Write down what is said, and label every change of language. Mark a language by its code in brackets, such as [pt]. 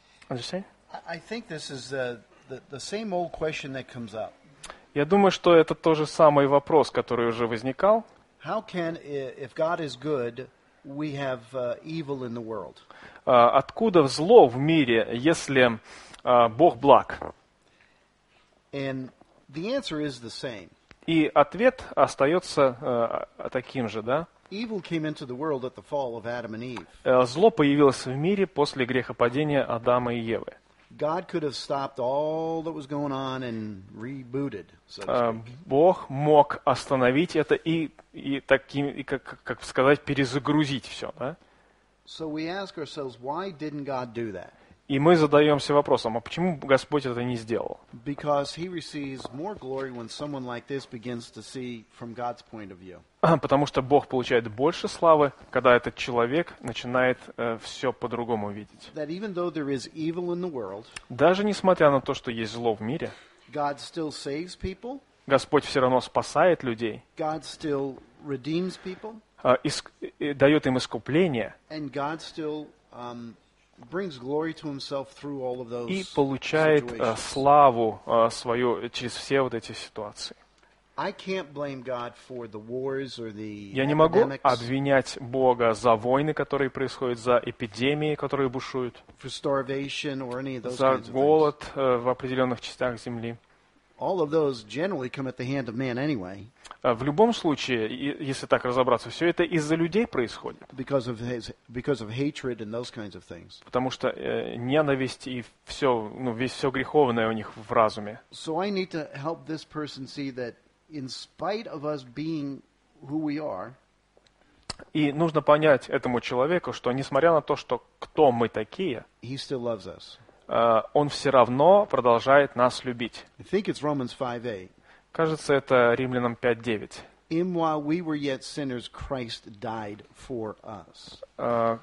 [en] I think this is the same old question that comes up. [ru] Я думаю, что это тот же самый вопрос, который уже возникал. [en] How can, if God is good, we have evil in the world? [ru] Откуда зло в мире, если Бог благ? [en] And the answer is the same. [ru] И ответ остается таким же, да? [en] Evil came into the world at the fall of Adam and Eve. [ru] Зло появилось в мире после грехопадения Адама и Евы. [en] God could have stopped all that was going on and rebooted. [ru] Бог мог остановить это и таким и как сказать перезагрузить все, да? [en] So we ask ourselves, why didn't God do that? [ru] И мы задаемся вопросом, а почему Господь это не сделал? [en] Because he receives more glory when someone like this begins to see from God's point of view. [ru] Потому что Бог получает больше славы, когда этот человек начинает все по-другому видеть. [en] That even though there is evil in the world, [ru] даже несмотря на то, что есть зло в мире, [en] God still saves people, [ru] Господь все равно спасает людей. [en] God still redeems people, [ru] дает им искупление. [en] And God still, brings glory to himself through all of those [ru] и получает славу свою через все вот эти ситуации. [en] I can't blame God for the wars or the epidemics. [ru] Я не могу обвинять Бога за войны, которые происходят, за эпидемии, которые бушуют, [en] for starvation or any of those [ru] за голод в определенных частях земли. [en] All of those generally come at the hand of man anyway. [ru] В любом случае, если так разобраться, все это из-за людей происходит. [en] Because of hatred and those kinds of things. [ru] Потому что ненависть и все, ну, весь все греховное у них в разуме. [en] So I need to help this person see that in spite of us being who we are. [ru] И нужно понять этому человеку, что несмотря на то, что кто мы такие, [en] he still loves us. [ru] Он все равно продолжает нас любить. [en] I think it's Romans 5:8. [ru] Кажется, это Римлянам 5:9. [en] In while we were yet sinners, Christ died for us.